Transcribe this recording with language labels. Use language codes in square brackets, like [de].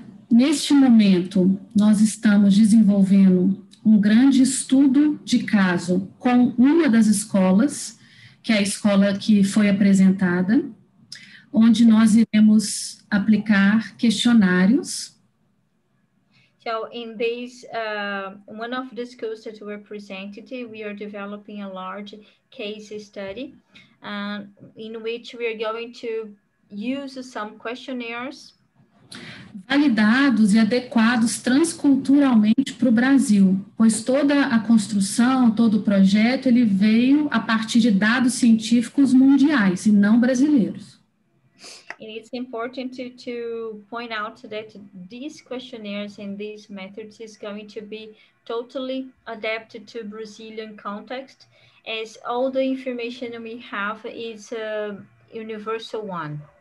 [pt] Neste momento, nós estamos desenvolvendo um grande estudo de caso com uma das escolas, que é a escola que foi apresentada, onde nós iremos aplicar questionários. [en] So, in this, one of the schools that were presented, we are developing a large case study, in which we are going to use some questionnaires. [pt] Validados e adequados transculturalmente para o Brasil, pois toda a construção, todo o projeto, ele veio a partir de dados científicos mundiais e não brasileiros. [en] And it's important to point out that these questionnaires and these methods is going to be totally adapted to Brazilian context, as all the information we have is a universal one.